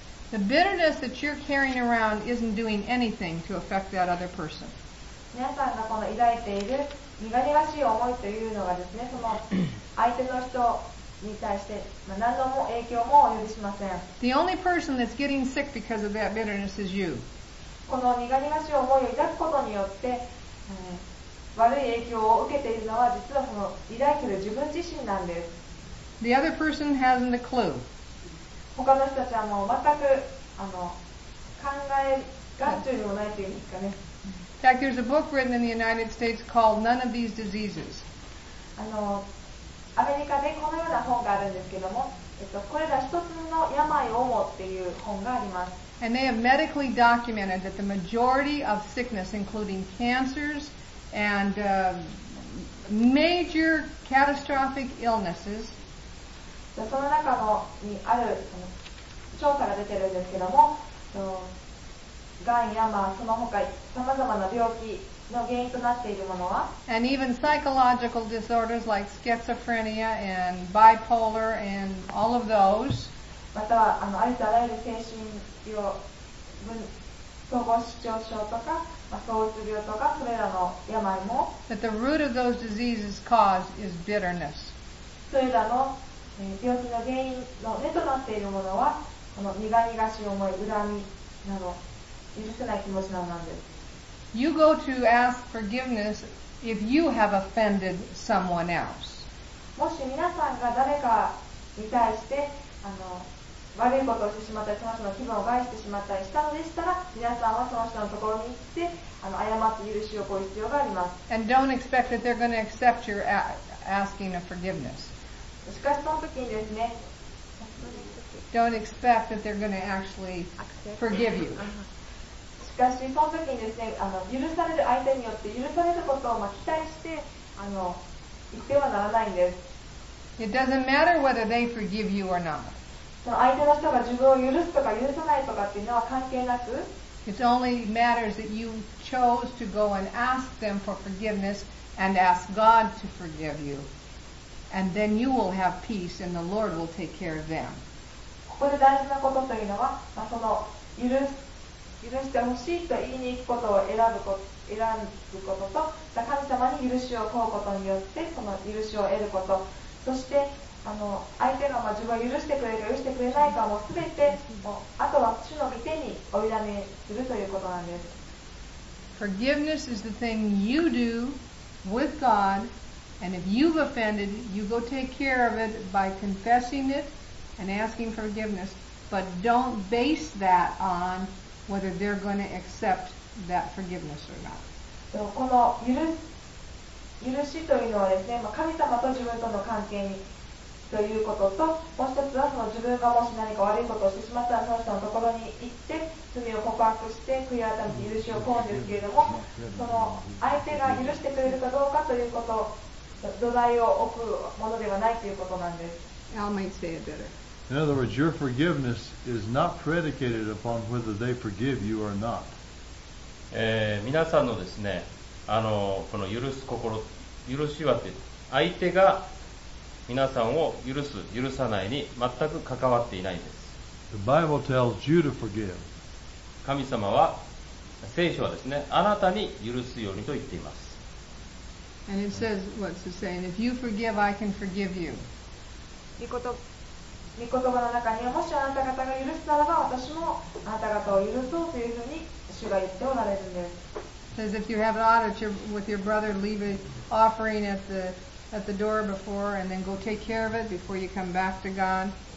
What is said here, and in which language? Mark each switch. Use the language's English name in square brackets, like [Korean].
[English] The bitterness that you're carrying around isn't doing anything to affect that other person. [Japanese] 皆さんがこの抱いている苦々しい思いというのがですね、その相手の人に対して何の影響も及びしません。 [English] The only person that's getting sick because of that bitterness is you. [Japanese] この苦々しい思いを抱くことによって、悪い影響を受けているのは実はその抱いている自分自身なんです。 [English] The other person hasn't a clue. [Japanese] 他の人たちはもう全く考え眼中にもないというんですかね。 [English] In fact, there's a book written in the United States called None of These Diseases. [Japanese] アメリカでこのような本があるんですけども、これら一つの病をもっていう本があります。 [English] And they have medically documented that the majority of sickness, including cancers and major catastrophic illnesses, [Japanese] その中のにある調査が出てるんですけども、がんや、まあ、その他さまざまな病気の原因となっているものは、 [English] And even psychological disorders like schizophrenia and bipolar and all of those、 [Japanese] またはありとあらゆる精神病、統合失調症とか、まあ、躁うつ病とか、それらの病も、 [English] That the root of those diseases cause is bitterness. [Japanese] それらの病気の原因の根となっているものはこの苦々しい思い、恨みなど許せない気持ちなんです。 [English] You go to ask forgiveness if you have offended someone else. [Japanese] もし皆さんが誰かに対して悪いことをしてしまったり、その人の気分を害してしまったりしたのでしたら、皆さんはその人のところに行って謝って許しを請う必要があります。 [English] And don't expect that they're going to accept your asking of forgiveness. [Japanese] しかしその時にですね、 [English] Don't expect that they're going to actually forgive you. [Japanese] しかしその時にですね、許される相手によって許されることを期待して言ってはならないんです。 [English] It doesn't matter whether they forgive you or not. [Japanese] その相手の人が自分を許すとか許さないとかっていうのは関係なく、 [English] It only matters that you chose to go and ask them for forgiveness and ask God to forgive you. And then you will have peace and the Lord will take care of them. [Japanese] ここで大事なことというのは、その許してほしいと言いに行くことを選ぶことと、神様に許しを請うことによってその許しを得ること、そして相手が自分を許してくれるか許してくれないかも全てもうあとは主の御手にお委ねするということなんです。 [English] Forgiveness is the thing you do with God, and if you've offended, you go take care of it by confessing itand asking forgiveness, but don't base that on whether they're going to accept that forgiveness or not. [Japanese] この許しというのはですね、神様と自分との関係にということと、もう一つはその自分がもし何か悪いことをしてしまったら、その人のところに行って罪を告白して悔い改めて許しを請うんですけれども、その相手が許してくれるかどうかということを土台を置くものではないということなんです。 [English] I'll make say it better. In other words, your forgiveness is not predicated upon whether they forgive you or not. [Japanese] 皆さんのですね、この許す心、許しはって、相手が皆さんを許す、許さないに全く関わっていないんです。 [English] The Bible tells you to forgive. [Japanese] 神様は、聖書はですね、あなたに許すようにと言っています。 [English] And it says, what's it saying? If you forgive, I can forgive you. [Japanese] 御言葉の中にはもしあなた方が許すならば私もあなた方を許そうというふうに主が言っておられるんです。 [English] It says if you have an audit with your brother, leave an offering at the door before and then go take care of it before you come back to God.